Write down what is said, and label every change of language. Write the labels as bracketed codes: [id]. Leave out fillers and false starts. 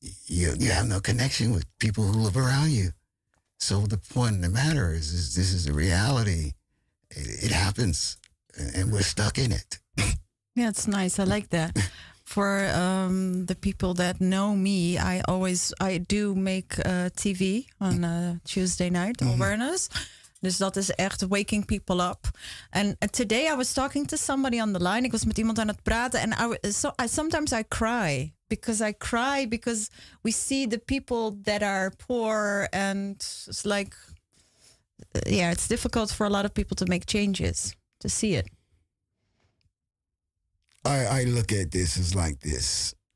[en] You have no connection with people who live around you. So the point of the matter is this is a reality. It happens, and we're stuck in it. Yeah, it's nice. I like that. For the people that know me, I do make TV on Tuesday night, Awareness. [nl] Dus dat is echt [en] waking people up. And today I was talking to somebody on the line. [nl] Ik was met iemand aan het praten. [en] And sometimes I cry. Because I cry because we see the people that are poor. And it's like, yeah, it's difficult for a lot of people to make changes, to see it. I look at this as like this.